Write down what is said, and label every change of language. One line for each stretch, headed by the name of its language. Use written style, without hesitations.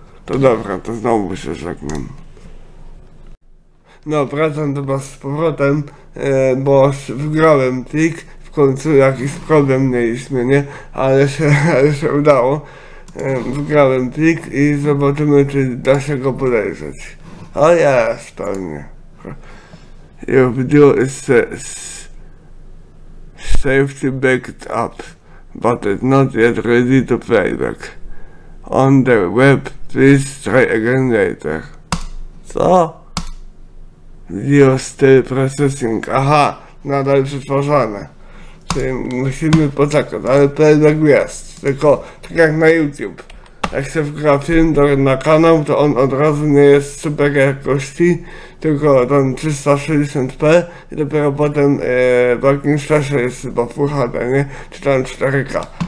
Polish: To dobra, to znowu się żegnam. No, wracam do was z powrotem, bo wygrałem plik. W końcu jakiś problem mieliśmy, nie? Ale się udało. Wgrałem plik i zobaczymy, czy da się go podejrzeć. O jest, pewnie.
English: Your video is safety backed up, but it's not yet ready to playback. On the web, please try again later.
Polish: Co?
English: Video still processing.
Polish: Aha, nadal przetwarzane. Czyli musimy poczekać, ale playback jest. Tylko tak jak na YouTube. Jak się wgra film na kanał, to on od razu nie jest super jakości, tylko tam 360p i dopiero potem w jakimś czasie jest chyba Full HD, nie? Czy tam 4K.